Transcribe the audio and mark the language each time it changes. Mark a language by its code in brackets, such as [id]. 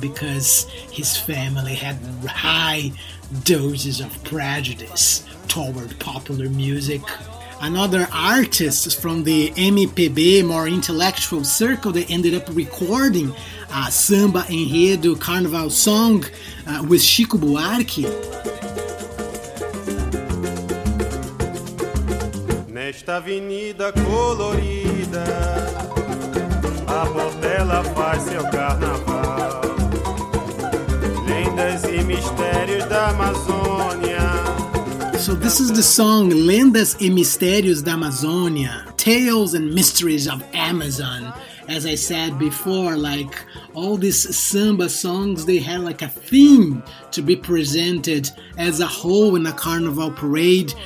[en] Because his family had high doses of prejudice toward popular music. Another artist from the MPB, more intellectual circle, that ended up recording a samba enredo carnival song with Chico Buarque. [pt] Nesta avenida colorida, a Portela faz seu carnaval. Lendas e mistérios da Amazônia. [en] So this is the song Lendas e Mistérios da Amazônia, Tales and Mysteries of Amazon. As I said before, like all these samba songs, they had like a theme to be presented as a whole in a carnival parade.